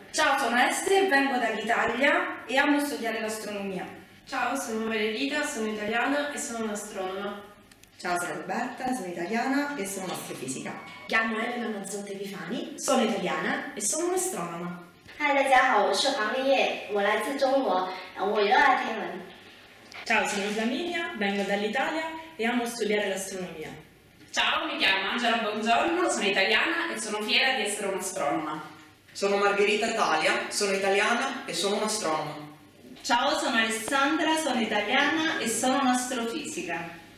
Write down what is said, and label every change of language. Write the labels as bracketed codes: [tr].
[it] Ciao, sono Estri, vengo dall'Italia e amo studiare l'astronomia. Ciao, sono Valerita, sono italiana e sono un'astronoma. Ciao, sono Roberta, sono italiana e sono astrofisica. Chiamo Elena Mazzotte Vifani, sono italiana e sono un'astronoma. [zh] Hi, 大家好，我是黄丽叶， 我来自中国， 我热爱天文。 [it] Ciao, sono Flaminia, vengo dall'Italia e amo studiare l'astronomia. Ciao, mi chiamo Angela Bongiorno, sono italiana e sono fiera di essere un'astronoma. Sono Margherita Italia, sono italiana e sono un'astronoma. Ciao, sono Alessandra, sono italiana e sono un'astrofisica.